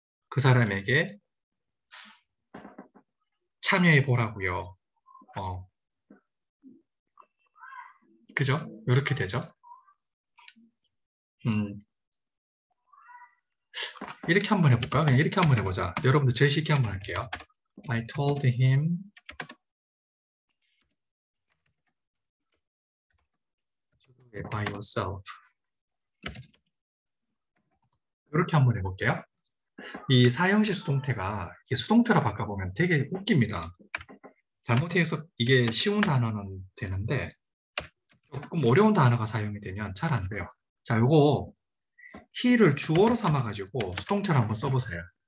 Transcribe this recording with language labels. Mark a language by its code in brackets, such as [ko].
[ko] 그 사람에게 참여해보라고요. 그죠? 이렇게 되죠? 이렇게 한번 해볼까요? 그냥 이렇게 한번 해보자. 여러분들 제일 쉽게 한번 할게요. [en] I told him to do it by yourself. [ko] 이렇게 한번 해볼게요. 이 사형식 수동태가 이게 수동태로 바꿔보면 되게 웃깁니다. 잘못해서 이게 쉬운 단어는 되는데 조금 어려운 단어가 사용이 되면 잘안 돼요. 자, 요거 he를 주어로 삼아가지고 수동태를 한번 써보세요.